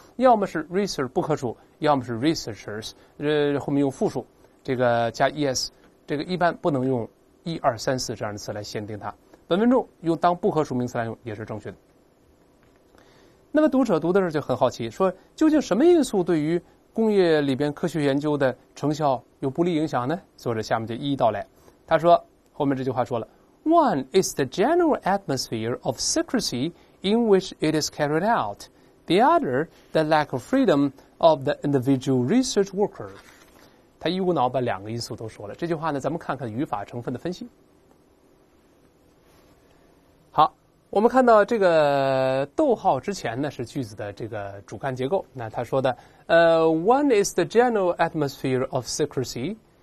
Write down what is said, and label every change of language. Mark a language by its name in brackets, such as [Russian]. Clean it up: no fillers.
[Chinese] 要么是 research 不可数，要么是 researchers， 后面用复数，这个加 es， 这个一般不能用一二三四这样的词来限定它。本文中用当不可数名词来用也是正确的。那么读者读的时候就很好奇，说究竟什么因素对于工业里边科学研究的成效有不利影响呢？作者下面就一一道来。他说，后面这句话说了 [English] ：One is the general atmosphere of secrecy in which it is carried out. The other, the lack of freedom of the individual research worker. [Chinese] 他一股脑把两个因素都说了。这句话呢，咱们看看语法成分的分析。好，我们看到这个逗号之前呢是句子的这个主干结构。那他说的。 [English] One is the general atmosphere of secrecy.